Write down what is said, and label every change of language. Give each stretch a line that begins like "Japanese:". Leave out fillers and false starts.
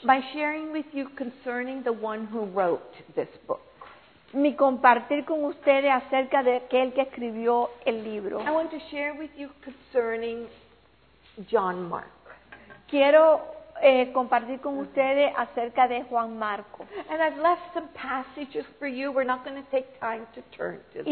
English: By sharing with you concerning the one who wrote this book.
Spanish: Mi compartir con ustedes acerca de aquel que escribió el libro.
English: I want to share with you concerning John Mark.
Spanish: Quiero compartir con ustedes acerca de Juan Marco.
English: And I've left some passages for you. We're not going to take time to turn to them.